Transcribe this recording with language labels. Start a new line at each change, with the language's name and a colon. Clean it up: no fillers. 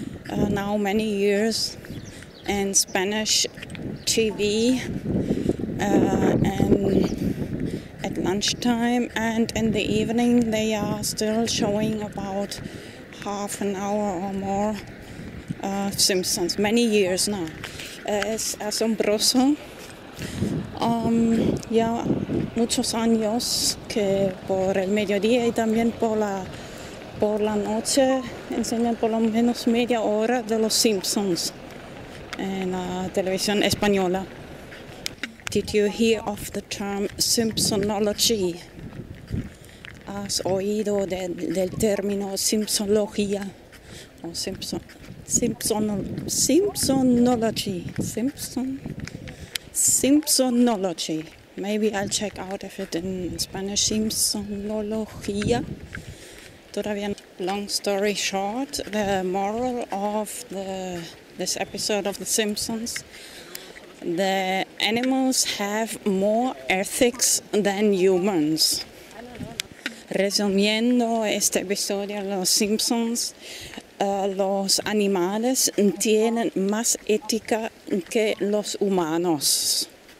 English: Now many years in Spanish TV and at lunchtime and in the evening they are still showing about half an hour or more Simpsons, many years now.
Spanish: Es asombroso. Ya muchos años que por el mediodía y también por la noche enseñan por lo menos media hora de los Simpsons en la televisión española.
English: Did you hear of the term Simpsonology?
Spanish: ¿Has oído del término Simpsonología o Simpson?
English: Simpsonology. Maybe I'll check out if it in Spanish. Simpsonología. Todavía. Long story short, the moral of this episode of The Simpsons: the animals have more ethics than humans.
Spanish: Resumiendo este episodio de Los Simpsons. Los animales tienen más ética que los humanos.